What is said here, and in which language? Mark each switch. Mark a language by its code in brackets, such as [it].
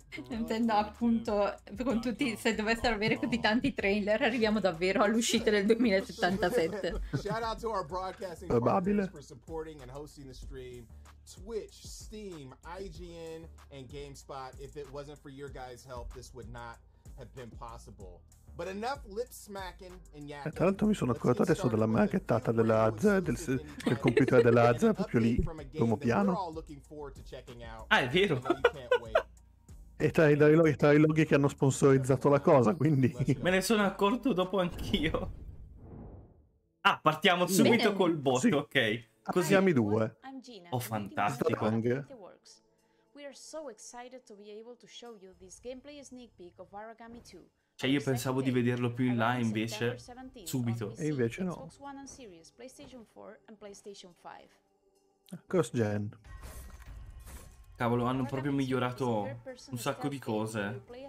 [it] Intendo appunto con tutti, se dovessero avere così tanti trailer arriviamo davvero all'uscita del 2077. Probabile. [en] For supporting and hosting the stream, Twitch, Steam, IGN and GameSpot. If it wasn't for your guys' help, this would not have been possible. But enough lip smacking and yakking. [it] Tra l'altro mi sono accorto adesso della marchettata della AZ, del computer della AZ, proprio lì, l'uomo piano. Ah, è vero. E tra i loghi che hanno sponsorizzato la cosa, quindi... Me ne sono accorto dopo anch'io. Ah, partiamo subito bene col bot, sì. Ok. Così. Siamo i due. Oh, fantastico. [en] Stadang. We are are so excited to be able to show you this gameplay sneak peek of Origami 2. [it] Cioè io pensavo di vederlo più in là invece subito. E invece no. [en] Xbox One and Series, PlayStation 4 and PlayStation 5. Cross gen. [it] Cavolo, hanno proprio migliorato un sacco di cose.